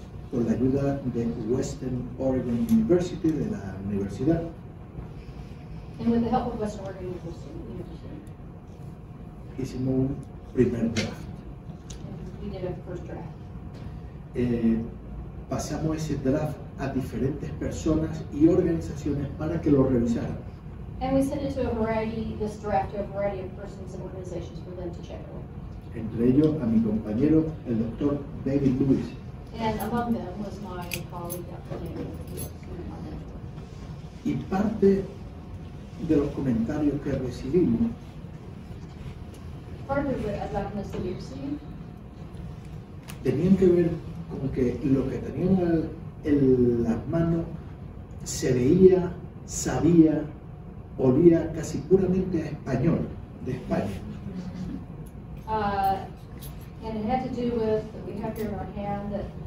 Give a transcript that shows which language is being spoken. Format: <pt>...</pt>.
<es>Con la ayuda de Western Oregon University, de la universidad.</es> <en>And with the help of Western Oregon University,</en> <es>hicimos un primer draft.</es> <en>And we did a first draft.</en> <es>Pasamos ese draft a diferentes personas y organizaciones para que lo revisaran.</es> <en>And we sent it to a variety, this draft, to a variety of persons and organizations for them to check it with.</en> <es>Entre ellos, a mi compañero, el doctor David Lewis.</es> <en>And among them was my colleague, Dr. David Lewis.</en> <es>Y parte de los comentarios que recibimos,</es> <en>part of the documents that we received,</en> <es>tenían que ver con que lo que tenían en las manos se veía, sabía, olía casi puramente a español, de España.</es> <en>And it had to do with that we have here in our hand that.</en>